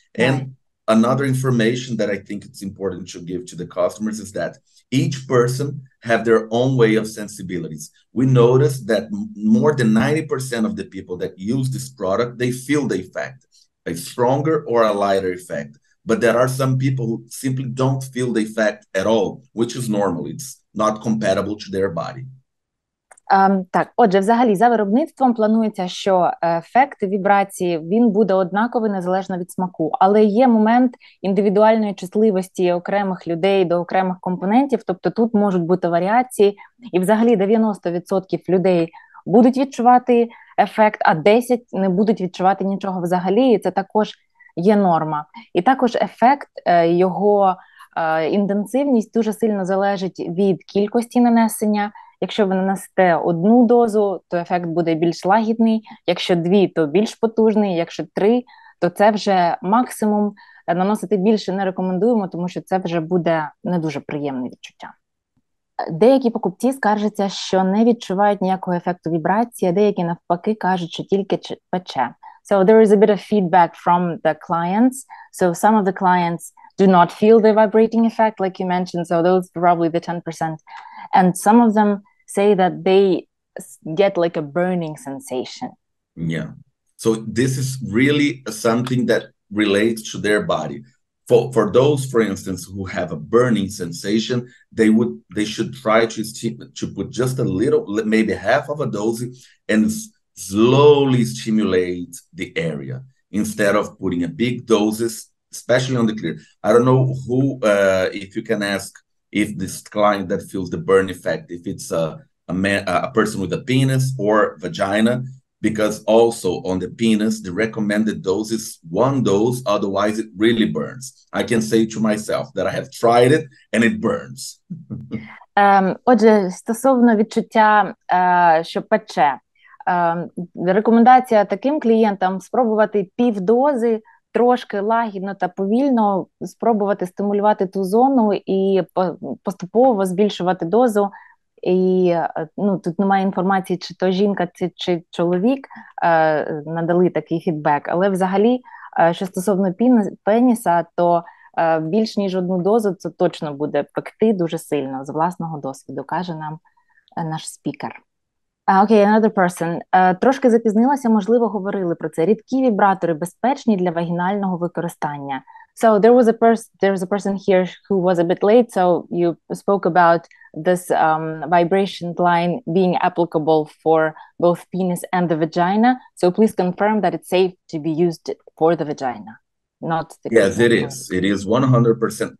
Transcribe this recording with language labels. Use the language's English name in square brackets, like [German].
[English] And another information that I think it's important to give to the customers is that each person have their own way of sensibilities. We noticed that more than 90% of the people that use this product, they feel the effect, a stronger or a lighter effect. But there are some people who simply don't feel the effect at all, which is normal. It's not compatible to their body. [Ukrainian] Так, отже, взагалі, за виробництвом планується, що ефект вібрації, він буде однаковий незалежно від смаку. Але є момент індивідуальної чутливості окремих людей до окремих компонентів, тобто тут можуть бути варіації. І взагалі 90% людей будуть відчувати ефект, а 10% не будуть відчувати нічого взагалі, і це також є норма. І також ефект, його інтенсивність дуже сильно залежить від кількості нанесення. Якщо ви нанесете одну дозу, то ефект буде більш лагідний. Якщо дві, то більш потужний. Якщо три, то це вже максимум. Наносити більше не рекомендуємо, тому що це вже буде не дуже приємне відчуття. Деякі покупці скаржаться, що не відчувають ніякого ефекту вібрації, а деякі навпаки кажуть, що тільки пече. [English] So there is a bit of feedback from the clients. So some of the clients do not feel the vibrating effect, like you mentioned, so those probably the 10%. And some of them say that they get like a burning sensation. Yeah. So this is really something that relates to their body. For those, for instance, who have a burning sensation, they should try to put just a little, maybe half of a dose, and slowly stimulate the area instead of putting a big doses, especially on the clear. I don't know who, if you can ask, if this client that feels the burn effect, if it's a man, a person with a penis or vagina, because also on the penis, the recommended dose is 1 dose, otherwise it really burns. I can say to myself that I have tried it and it burns. [Ukrainian] Отже, стосовно відчуття, що пече, рекомендація таким клієнтам спробувати пів дози, трошки лагідно та повільно спробувати стимулювати ту зону і поступово збільшувати дозу. І ну, тут немає інформації, чи то жінка, чи чоловік надали такий фідбек. Але взагалі, що стосовно пеніса, то більш ніж 1 дозу, це точно буде пекти дуже сильно. З власного досвіду, каже нам наш спікер. [English] Окей, another person. [Ukrainian] Трошки запізнилася, можливо, говорили про це. Рідкі вібратори безпечні для вагінального використання. [English] So there was a person here who was a bit late, so you spoke about this vibration line being applicable for both penis and the vagina. So please confirm that it's safe to be used for the vagina, not the Yes, it is. It is 100%.